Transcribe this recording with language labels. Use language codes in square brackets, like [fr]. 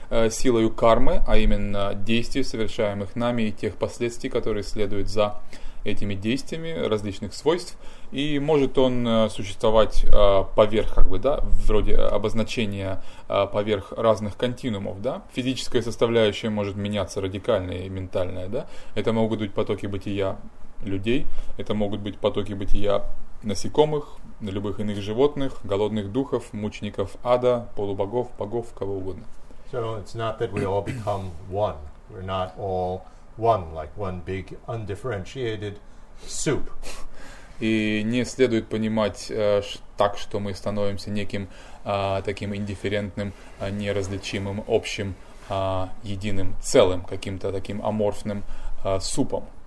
[ru] силою кармы, а именно действий, совершаемых нами, и тех последствий, которые следуют за этими действиями различных свойств, и может он существовать поверх, как бы, да, вроде обозначения поверх разных континуумов, да, физическая составляющая может меняться радикально и ментальная, да, это могут быть потоки бытия людей, это могут быть потоки бытия насекомых, любых иных животных, голодных духов, мучеников ада, полубогов, богов, кого угодно. [en] So it's not that we all become one, we're not all one, like one big undifferentiated soup. [ru] И не следует понимать так, что мы становимся неким таким индифферентным, неразличимым, общим, единым целым, каким-то таким аморфным супом.